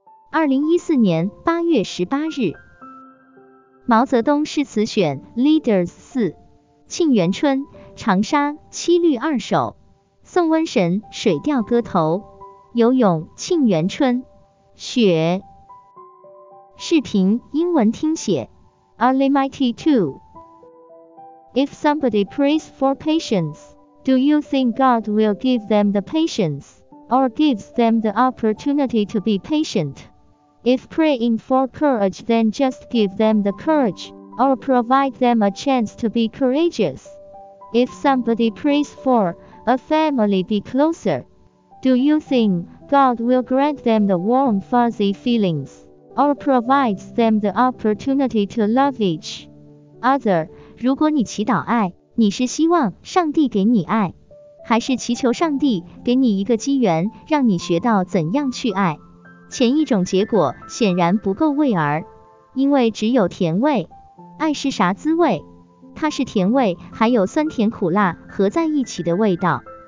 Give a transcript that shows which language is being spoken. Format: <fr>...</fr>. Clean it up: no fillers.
<zh>2014年8月18日，毛泽东诗词选 Leaders 四，沁园春·长沙七律二首，宋瘟神《水调歌头》，游泳沁园春雪。视频英文听写</zh> <en>Alimighty two。 If somebody prays for patience, do you think God will give them the patience, or gives them the opportunity to be patient? If praying for courage, then just give them the courage, or provide them a chance to be courageous. If somebody prays for a family be closer, do you think God will grant them the warm fuzzy feelings, or provides them the opportunity to love each other?</en> <zh>如果你祈祷爱，你是希望上帝给你爱，还是祈求上帝给你一个机缘，让你学到怎样去爱？前一种结果显然不够味儿，因为只有甜味。爱是啥滋味？它是甜味还有酸甜苦辣合在一起的味道。</zh>